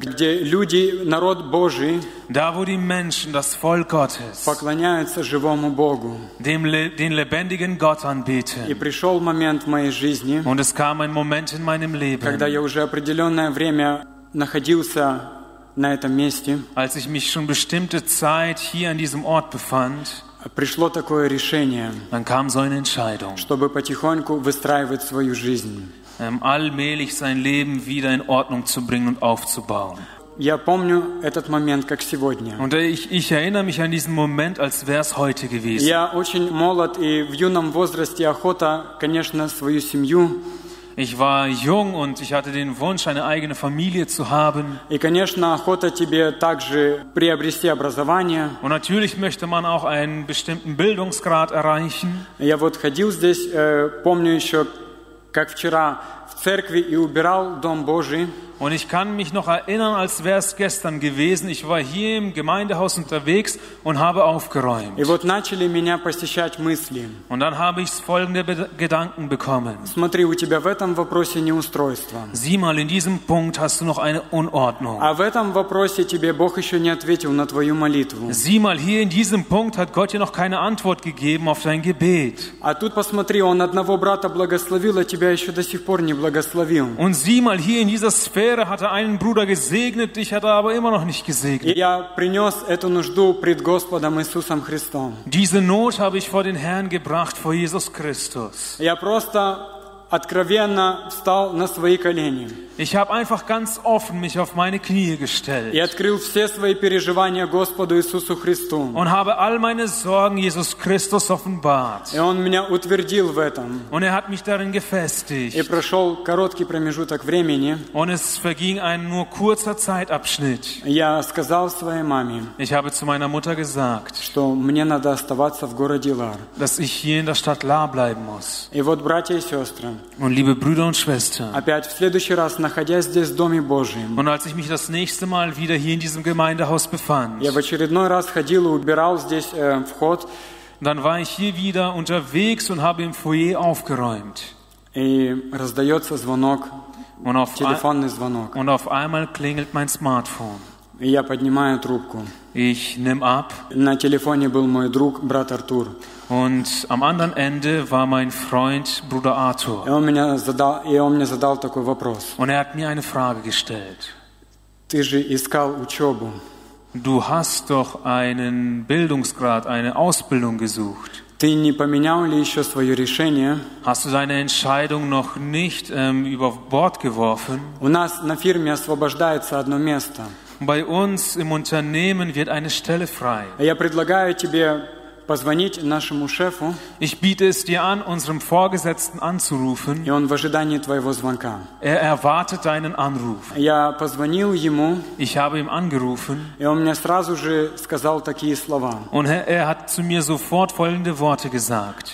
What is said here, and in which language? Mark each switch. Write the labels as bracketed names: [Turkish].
[Russian] Где люди, народ Божий, [German] da wo die Menschen, das Volk Gottes, [Russian] поклоняются живому Богу, [German] den lebendigen Gott anbeten. [Russian] И пришел момент в моей жизни, [German] und es kam ein Moment in meinem Leben, [Russian] когда я уже определенное время находился на этом месте, [German] als ich mich schon bestimmte Zeit hier an diesem Ort befand, [Russian] пришло такое решение, [German] dann kam so eine Entscheidung, [Russian] чтобы потихоньку выстраивать свою жизнь, [German] allmählich sein Leben wieder in Ordnung zu bringen und aufzubauen. [Russian] Я помню этот момент как сегодня. [German] Und ich erinnere mich an diesen Moment, als wäre es heute gewesen. [Russian] Я очень молод и в юном возрасте охота, конечно, свою семью. [German] Ich war jung und ich hatte den Wunsch, eine eigene Familie zu haben. [Russian] И конечно, охота тебе также приобрести образование. [German] Und natürlich möchte man auch einen bestimmten Bildungsgrad erreichen. [Russian] Я вот ходил здесь, помню еще, как вчера, в церкви и убирал дом Божий. [German] Und ich kann mich noch erinnern, als wäre es gestern gewesen. Ich war hier im Gemeindehaus unterwegs und habe aufgeräumt. [Russian] И вот начали меня посещать мысли. [German] Und dann habe ich folgende Gedanken bekommen. [Russian] Смотри, у тебя в этом вопросе неустройство. [German] Sieh mal, in diesem Punkt hast du noch eine Unordnung. [Russian] А в этом вопросе тебе Бог еще не ответил на твою молитву. [German] Sieh mal, hier in diesem Punkt hat Gott dir noch keine Antwort gegeben auf dein Gebet. [Russian] А тут посмотри, он одного брата благословил, а тебя еще до сих пор не благословил. [German] Und sieh mal, hier in dieser Sphäre hatte einen Bruder gesegnet, dich hat aber immer noch nicht gesegnet. [Russian] Я принёс эту нужду пред Господом Иисусом Христом. [German] Diese Not habe ich vor den Herrn gebracht, vor Jesus Christus. [Russian] Я просто откровенно встал на свои колени. [German] Ich habe einfach ganz offen mich auf meine Knie gestellt. [Russian] Я открыл все свои переживания Господу Иисусу Христу. [German] Und habe all meine Sorgen Jesus Christus offenbart. [Russian] И он меня утвердил в этом. [German] Und hat mich darin gefestigt. [Russian] И прошел короткий промежуток времени. [German] Und es verging ein nur kurzer Zeitabschnitt. [Russian] Я сказал своей маме. [German] Ich habe zu meiner Mutter gesagt, [Russian] что мне надо оставаться в городе Лар. [German] Dass ich hier in der Stadt Lar bleiben muss. [Russian] И вот, братья и сестры. [German] Und liebe Brüder und Schwestern. [Russian] Опять в следующий раз, находясь здесь в доме Божьем. [German] Und als ich mich das nächste Mal wieder hier in diesem Gemeindehaus befand. [Russian] Я в очередной раз ходил и убирал здесь вход. [German] Dann war ich hier wieder unterwegs und habe im Foyer aufgeräumt. [Russian] И раздается звонок. [German] Und auf [Russian] телефонный звонок. [German] Und auf einmal klingelt mein Smartphone. [Russian] И я поднимаю трубку. [German] Ich nehme ab. [Russian] На телефоне был мой друг, брат Артур. [German] Und am anderen Ende war mein Freund, Bruder Arthur. [Russian] Он мне задал такой вопрос. [German] Und hat mir eine Frage gestellt. [Russian] Ты же искал учебу. [German] Du hast doch einen Bildungsgrad, eine Ausbildung gesucht. [Russian] Ты не поменял ли еще свое решение? [German] Hast du deine Entscheidung noch nicht über Bord geworfen? [Russian] У нас на фирме освобождается одно место. [German] Bei uns im Unternehmen wird eine Stelle frei. [Russian] Я предлагаю тебе позвонить нашему шефу. [German] Ich biete es dir an, unserem Vorgesetzten anzurufen. [Russian] И он в ожидании твоего звонка. [German] Er erwartet deinen Anruf. [Russian] Я позвонил ему. [German] Ich habe ihm angerufen. [Russian] И он мне сразу же сказал такие слова. [German] Und hat zu mir sofort folgende Worte gesagt.